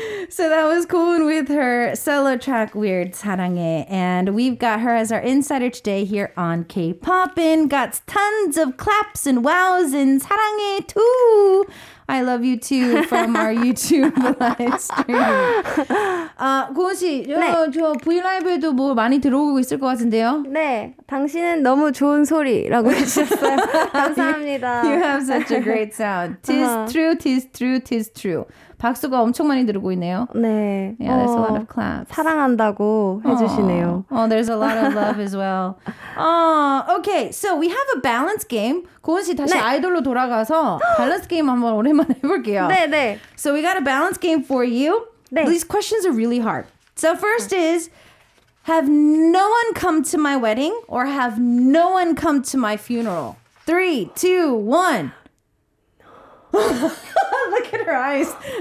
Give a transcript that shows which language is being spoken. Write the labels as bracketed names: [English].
[English] So that was Koon with her solo track Weird 사랑해 and we've got her as our insider today here on K-Poppin. Got tons of claps and wows and 사랑해 too. I love you too from our YouTube live stream. [Korean] 고은 씨, 네. 저 V라이브에도 뭐 많이 들어오고 있을 것 같은데요? 네, 당신은 너무 좋은 소리라고 해주셨어요. 감사합니다. [English] You have such a great sound. Tis true, tis true, tis true. [Korean] 박수가 엄청 많이 들어오고 있네요. 네. [English] Yeah, there's a lot of claps. [Korean] 사랑한다고 해주시네요. [English] Oh, there's a lot of love as well. Okay, so we have a balance game. [Korean] 고은 씨, 다시 네. 아이돌로 돌아가서 밸런스 게임 한번 오랜만에 해볼게요. 네, 네. [English] So we got a balance game for you. [Korean] 네. [English] These questions are really hard. So first is, have no one come to my wedding or have no one come to my funeral? 3, 2, 1. Look at her eyes.